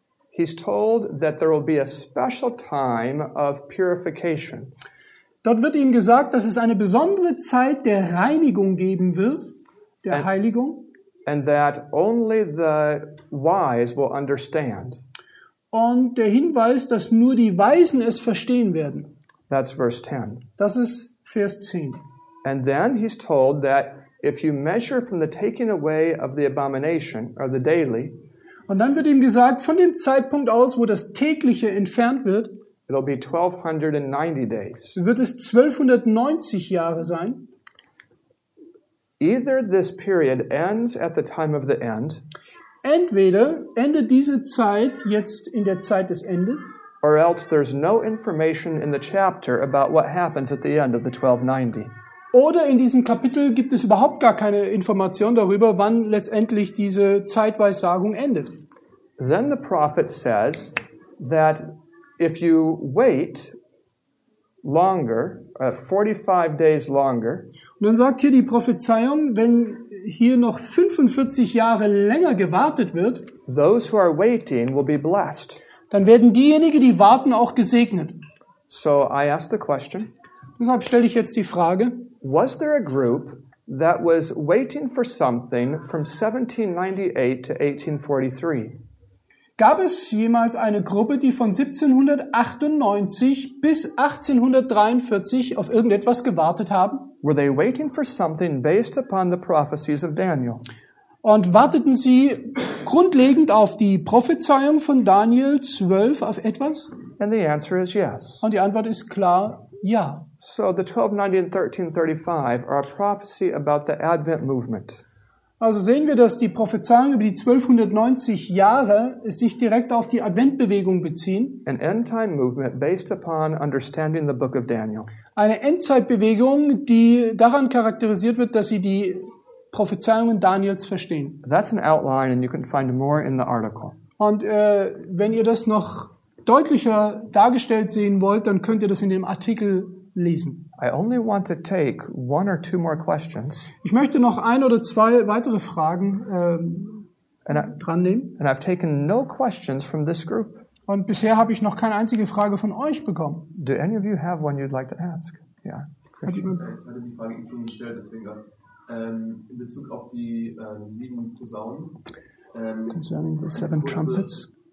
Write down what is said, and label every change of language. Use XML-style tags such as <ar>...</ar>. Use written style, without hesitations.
<en>He's told that there will be a special time of purification.</en> <de>Dort wird ihm gesagt, dass es eine besondere Zeit der Reinigung geben wird, der Heiligung.</de> <en>And that only the wise will understand.</en> <de>Und der Hinweis, dass nur die Weisen es verstehen werden.</de> <en>That's verse 10.</en> <de>Das ist Vers 10.</de> <en>And then he's told that if you measure from the taking away of the abomination or the daily.</en> <de>Und dann wird ihm gesagt, von dem Zeitpunkt aus, wo das tägliche entfernt wird,</de> <en>it'll be 1290 days.</en> <de>Wird es 1290 Jahre sein?</de> <en>Either this period ends at the time of the end.</en> <de>Entweder endet diese Zeit jetzt in der Zeit des Ende.</de> <en>Or else there's no information in the chapter about what happens at the end of the 1290.</en> <de>Oder in diesem Kapitel gibt es überhaupt gar keine Information darüber, wann letztendlich diese Zeitweissagung endet.</de> <en>Then the prophet says that if you wait longer, 45 days longer.</en> <de>Und dann sagt hier die Prophezeiung, wenn hier noch 45 Jahre länger gewartet wird,</de> <en>those who are waiting will be blessed.</en> <de>Dann werden diejenigen, die warten, auch gesegnet.</de> <en>So I ask the question.</en> <de>Deshalb stelle ich jetzt die Frage:</de> <en>Was there a group that was waiting for something from 1798 to 1843?</en> <de>Gab es jemals eine Gruppe, die von 1798 bis 1843 auf irgendetwas gewartet haben?</de> <en>Were they waiting for something based upon the prophecies of Daniel?</en> <de>Und warteten sie grundlegend auf die Prophezeiung von Daniel 12 auf etwas?</de> <en>And the answer is yes.</en> <de>Und die Antwort ist klar, ja.</de> <en>So the 1290 and 1335 are a prophecy about the Advent movement.</en> <de>Also sehen wir, dass die Prophezeiung über die 1290 Jahre sich direkt auf die Adventbewegung beziehen.</de> <en>An end-time movement based upon understanding the book of Daniel.</en> <de>Eine Endzeitbewegung, die daran charakterisiert wird, dass sie die Prophezeiungen Daniels verstehen.</de> <en>That's an outline and you can find more in the article.</en> <de>Und wenn ihr das noch deutlicher dargestellt sehen wollt, dann könnt ihr das in dem Artikel lesen.</de> <en>I only want to take one or two more questions.</en> <de>Ich möchte noch ein oder zwei weitere Fragen dran nehmen.</de> <en>And I've taken no questions from this group.</en> <de>Und bisher habe ich noch keine einzige Frage von euch bekommen.</de> <en>Do any of you have one you'd like to ask? Yeah, Christian.</en> <de>Ich hatte die Frage schon gestellt, deswegen in Bezug auf die sieben Posaunen.</de> <en>Concerning the seven trumpets.</en>